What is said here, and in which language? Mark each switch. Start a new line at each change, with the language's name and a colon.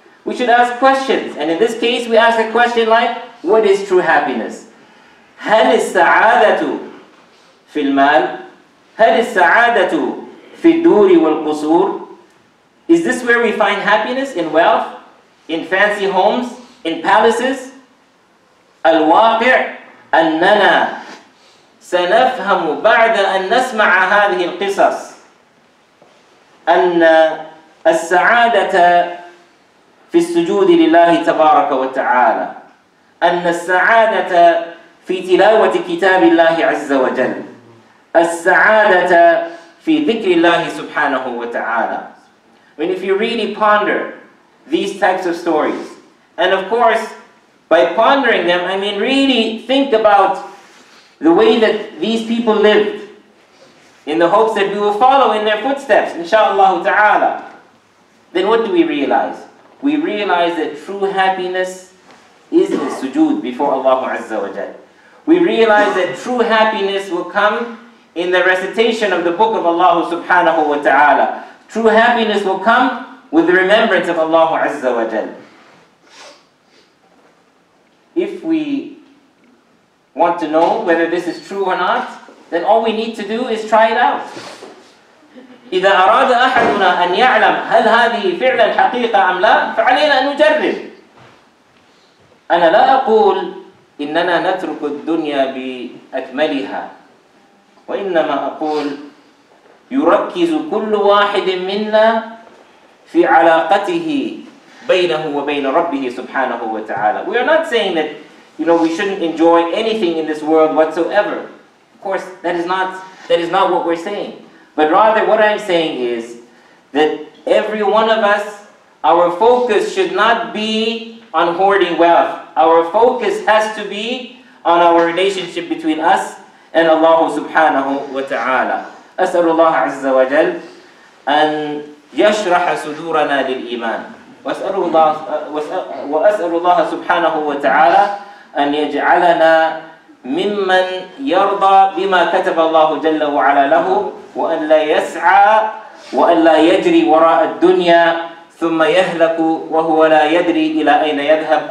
English: We should ask questions. And in this case, we ask a question like, what is true happiness?
Arabic: هَلْ السَّعَادَةُ فِي الْمَالِ هَلْ السَّعَادَةُ فِي الدُّورِ وَالْقُصُورِ.
English: Is this where we find happiness? In wealth? In fancy homes? In palaces?
Arabic: الواقع أننا سنفهم بعد أن نسمع هذه القصص أن السعادة في السجود لله تبارك وتعالى أن السعادة في تلاوة كتاب الله عز وجل السعادة في ذكر الله سبحانه وتعالى.
English: And if you really ponder these types of stories, and of course, by pondering them, I mean really think about the way that these people lived in the hopes that we will follow in their footsteps, inshallah ta'ala. Then what do we realize? We realize that true happiness is the sujood before Allah Azza wa Jal. We realize that true happiness will come in the recitation of the book of Allah subhanahu wa ta'ala. True happiness will come with the remembrance of Allah Azza wa Jal. If we want to know whether this is true or not, then all we need to do is try it out.
Arabic: إذا أراد أحدنا أن يعلم هل هذه فعلا حقيقة أم لا فعلينا أن نجرب. أنا لا أقول إننا نترك الدنيا بأكملها وإنما أقول يركز كل واحد منا في علاقته بينه وبين ربه سبحانه وتعالى.
English: We are not saying that, you know, we shouldn't enjoy anything in this world whatsoever. Of course, that is not what we're saying. But rather, what I'm saying is that every one of us, our focus should not be on hoarding wealth. Our focus has to be on our relationship between us and Allah subhanahu wa ta'ala.
Arabic: أسأل الله عز وجل أن يشرح صدورنا للإيمان. وأسأل الله سبحانه وتعالى أن يجعلنا ممن يرضى بما كتب الله جل وعلا له وأن لا يسعى وأن لا يجري وراء الدنيا ثم يهلك وهو لا يدري إلى أين يذهب.